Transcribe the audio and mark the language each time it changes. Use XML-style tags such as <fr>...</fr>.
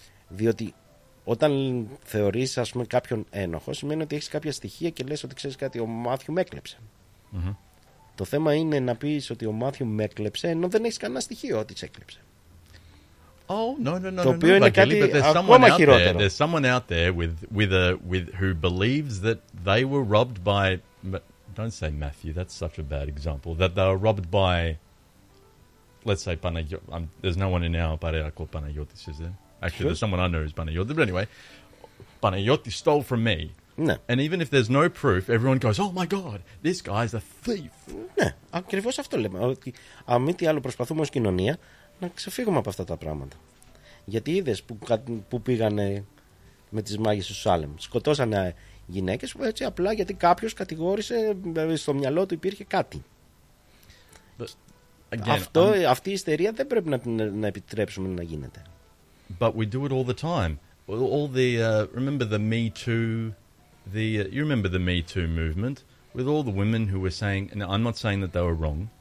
<el>Διότι όταν, θεωρείς ας πούμε κάποιον ένοχο, σημαίνει ότι έχεις κάποια στοιχεία και λες ότι ξέρεις κάτι, ο Μάθιου με έκλεψε. Το θέμα είναι να πεις ότι ο Μάθιου με έκλεψε ενώ δεν έχεις κανένα στοιχείο ότι σε έκλεψε.</el> <en>No.</en> <el>Το οποίο είναι κάτι ακόμα χειρότερο.</el> <en>There's someone out there with who believes that they were robbed by, don't say Matthew, that's such a bad example, that they were robbed by, let's say Panagiotis. There's no one in our parea called Panagiotis, is there? Actually, sure. There's someone I know who's Panagiotis. But anyway, Panagiotis stole from me.</en> <el>Ναι.</el> <en>And even if there's no proof, everyone goes, oh my god, this guy's a thief.</en> <el>Ναι, ακριβώς αυτό λέμε. Ότι αν μη τι άλλο προσπαθούμε ως κοινωνία να ξεφύγουμε από αυτά τα πράγματα. Γιατί είδες που πήγανε με τις μάγες στο Σάλεμ. Σκοτώσανε γυναίκες έτσι απλά γιατί κάποιος κατηγόρησε, στο μυαλό του υπήρχε κάτι.</el> <en>Again,</en> <el>αυτή η ιστερία δεν πρέπει να επιτρέψουμε να γίνεται.</el> <en>But we do it all the time. All the remember the Me Too, you remember the Me Too movement with all the women who were saying, and I'm not saying that they were wrong.</en>